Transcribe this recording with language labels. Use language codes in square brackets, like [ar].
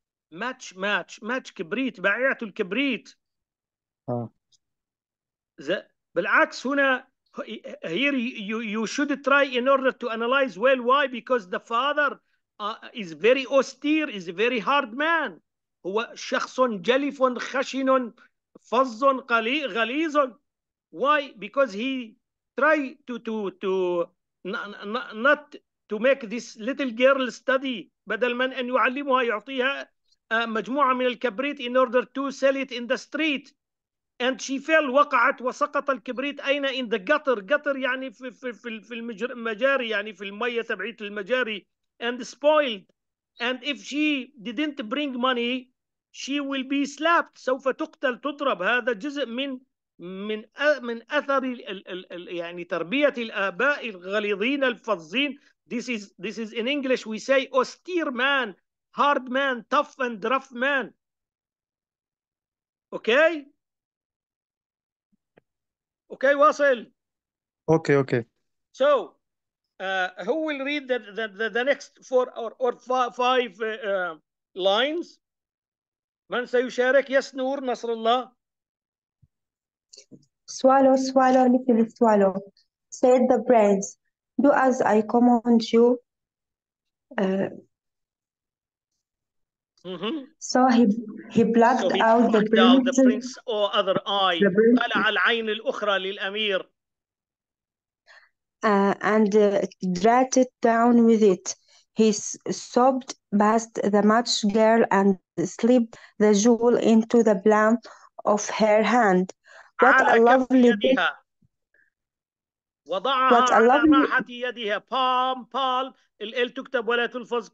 [ar] ماتش كبريت، بعيته الكبريت. آه. بالعكس هنا [en] here you should try in order to analyze well why, because the father is very austere, is a very hard man. [ar] هو شخص جلف خشن فظ غليظ. [en] Why? Because he try to not to make this little girl study. [ar] بدل من أن يعلمها يعطيها مجموعة من الكبريت [en] in order to sell it in the street, and she fell, [ar] وقعت وسقط الكبريت أين, [en] in the gutter. [ar] Gutter يعني في المجاري, يعني في المية تبعيت المجاري, [en] and spoiled. And if she didn't bring money, she will be slapped, [ar] سوف تقتل تضرب. هذا جزء من من أثر يعني تربية الآباء الغليظين الفظين. [en] This is in English we say austere man, hard man, tough and rough man. Okay. Okay, واصل. Okay, okay. So, who will read the next four or five lines? [ar] من سيشارك؟ يس نور نصر الله. [en] Swallow, swallow, little swallow, said the prince. Do as I command you. So he blacked so out the prince. The prince or other eye. The prince. [ar] طلع العين الأخرى للأمير. [en] And dragged it down with it. He sobbed past the match girl and slipped the jewel into the palm of her hand. What a lovely [ar] يديها. وضعها [en] what [ar] على [en] a lovely [ar] راحة يديها. [en] Palm, palm. [ar] ال تكتب ولا تلفظ.